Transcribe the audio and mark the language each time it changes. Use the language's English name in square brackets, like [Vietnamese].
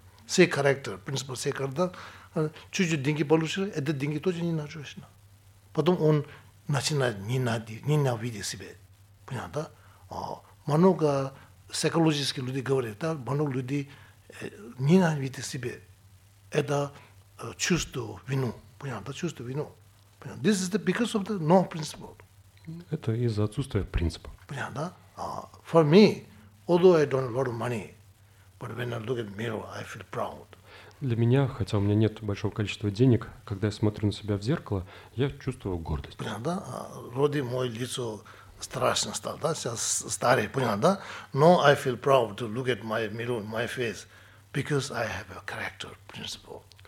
[Russian] Все характер, принципы, все характер, чуть-чуть деньги получили, это деньги тоже не нужно. Потом он начинает ненавидеть себя. Понятно, да? Много психологических людей говорят, да? Много людей ненавидят себя. Это чувство вину. Понятно, да? Чувство вину. Понятно? [English] This is the because of the no principle. [Russian] Это из-за отсутствия принципа. Понятно, да? [English] For me, although I don't have a lot of money, but when I look at the mirror, I feel proud. [Russian] Для меня, хотя у меня нет большого количества денег, когда я смотрю на себя в зеркало, я чувствую гордость. Понятно, да? Вроде мое лицо страшно стало, да? Сейчас старый, понятно, да? Но [English] I feel proud to look at my mirror, my face, because I have a character principle.